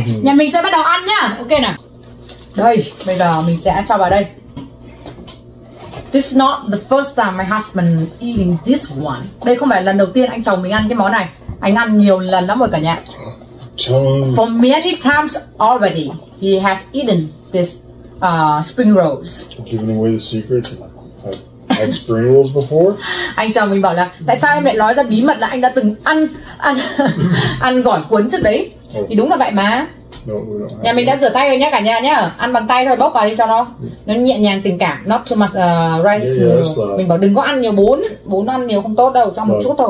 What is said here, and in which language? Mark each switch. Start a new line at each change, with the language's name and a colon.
Vietnamese: Nhà mình sẽ bắt đầu ăn nhá. Ok nào. Đây, bây giờ mình sẽ cho vào đây.
English: This is not the first time my husband eating this one.
Vietnamese: Đây không phải lần đầu tiên anh chồng mình ăn cái món này. Anh ăn nhiều lần lắm rồi cả nhà.
English: For many times already, he has eaten this spring rolls. Giving away the secret, I've had spring rolls before.
Vietnamese: Anh chồng mình bảo là tại sao em lại nói ra bí mật là anh đã từng ăn ăn gỏi cuốn trước đấy? Thì đúng là vậy mà.
English: No,
Vietnamese: nhà mình đã rửa tay rồi nhé cả nhà nhé. Ăn bằng tay thôi, bóc vào đi cho nó. Nó nhẹ nhàng tình cảm.
English: Not too much rice. Yeah, yeah, that.
Vietnamese: Mình bảo đừng có ăn nhiều bún. Bún ăn nhiều không tốt đâu, cho một chút thôi.